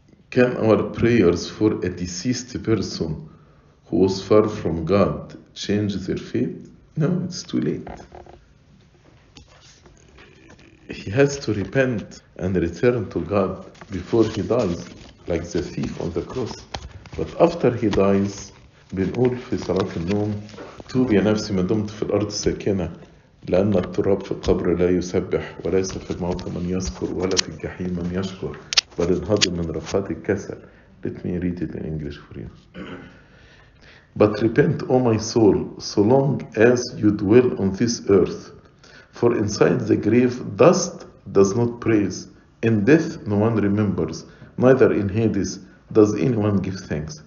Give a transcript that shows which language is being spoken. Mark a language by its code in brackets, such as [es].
[en] Can our prayers for a deceased person who was far from God change their faith? No, it's too late. He has to repent and return to God before he dies, like the thief on the cross. But after he dies, [ar] بنقول في صلاة النوم توب يا نفسي ما دمت في الأرض ساكنة لأن التراب في القبر لا يسبح وليس في الموت من يذكر ولا في الجحيم من يشكر بل انهضم من رفات الكسل. [en] Let me read it in English for you. But repent, O my soul, so long as you dwell on this earth. For inside the grave dust does not praise. In death no one remembers, neither in Hades does anyone give thanks.